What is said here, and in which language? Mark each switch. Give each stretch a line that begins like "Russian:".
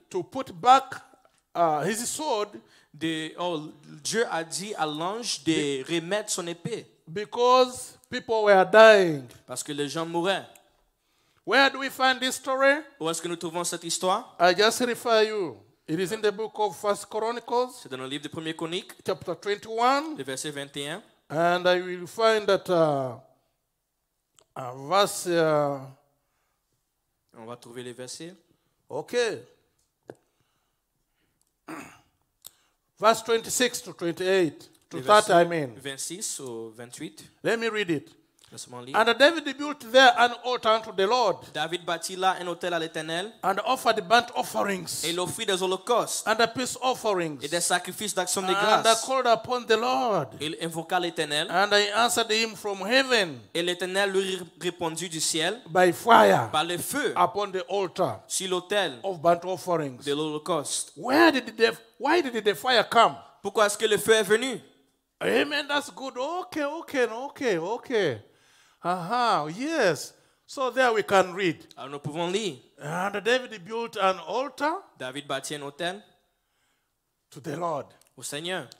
English: To put back his sword.
French: De, Dieu a dit à l'ange de remettre son épée.
English: Because people were dying.
French: Parce que les gens mouraient.
English: Where do we find this story?
French: Où est-ce que nous trouvons cette histoire?
English: I just refer you. It is in the book of First Chronicles.
French: C'est dans le livre de Premier Chronique.
English: Chapter 21.
French: Le verset 21.
English: And I will find that verse.
French: On va trouver les versets.
English: Okay. Verse 26 to 28. To 30, I mean.
French: 26 ou 28.
English: Let me read it.
French: Laisse-moi lire.
English: And David built there an altar unto the Lord.
French: David bâtit là un autel à l'Éternel.
English: And offered burnt offerings.
French: Et l'offrit des holocaustes.
English: And the peace offerings.
French: Et des sacrifices d'action de grâce.
English: And called upon the Lord.
French: Il invoqua l'Éternel.
English: And he answered him from heaven.
French: Et l'Éternel lui répondit du ciel.
English: By fire.
French: Par le feu.
English: Upon the altar.
French: Sur l'autel.
English: Of burnt offerings.
French: De l'holocauste.
English: Where did the why did the fire come?
French: Pourquoi est-ce que le feu est venu?
English: Amen. That's good. Okay. Yes. So there we can read.
French: Alors nous pouvons lire.
English: And David built an altar.
French: David bâtit un autel.
English: To the Lord.
French: Au Seigneur.